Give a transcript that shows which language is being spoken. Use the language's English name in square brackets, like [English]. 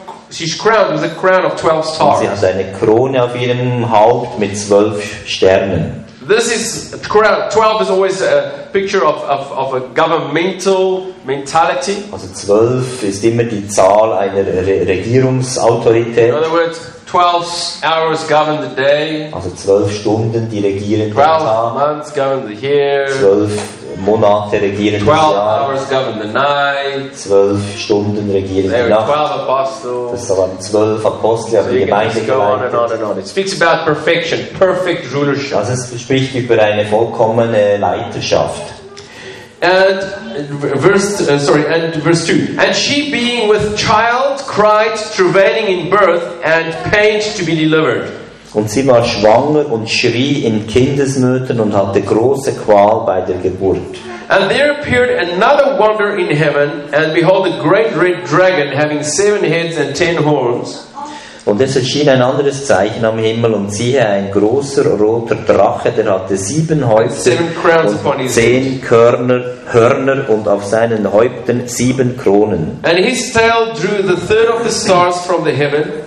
[English] She's crowned with a crown of 12 stars. [German] Und sie hat eine Krone auf ihrem Haupt mit 12 Sternen. [English] This is 12 is always a picture of a governmental mentality. [German] Also 12 ist immer die Zahl einer Regierungsautorität. [English] In other words, 12 hours govern the day. [German] Also 12 Stunden, die regieren den Tag. [English] 12 months govern the year. [German] 12 Monate regieren 12 im Jahr. [English] Hours govern the night. [German] 12 Stunden regieren [English] there [German] die Nacht. [English] 12 Apostles. [German] Das waren 12 Apostel, aber die Gemeinde geleitet. [English] It speaks about perfection, perfect rulership. [German] Also es spricht über eine vollkommene Leiterschaft. [English] And verse 2. And she being with child cried, travailing in birth and pained to be delivered. [German] Und sie war schwanger und schrie in Kindesnöten und hatte große Qual bei der Geburt. [English] And there appeared another wonder in heaven, and behold, a great red dragon having 7 heads and 10 horns. [German] Und es erschien ein anderes Zeichen am Himmel, und siehe, ein großer roter Drache, der hatte 7 Häupter und 10 Hörner, und auf seinen Häupten 7 Kronen. [English] And his tail drew the third of the stars from the heaven.